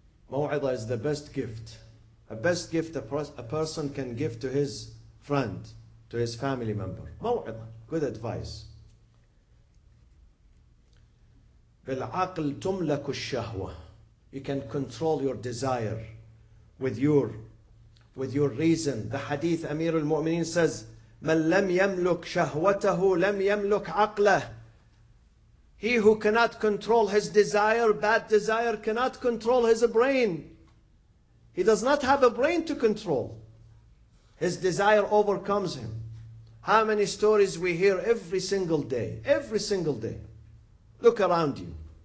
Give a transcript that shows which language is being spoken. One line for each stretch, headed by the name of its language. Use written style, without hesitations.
English: Maw'idha is the best gift. A best gift a person can give to his friend, to his family member. Maw'idha, good advice.
Arabic: بالعقل تملك الشهوة.
English: You can control your desire with your reason. The hadith, Amir al-Mu'mineen says,
Arabic: من لم يملك شهوته لم يملك عقله.
English: He who cannot control his desire, bad desire, cannot control his brain. He does not have a brain to control. His desire overcomes him. How many stories we hear every single day? Every single day. Look around you.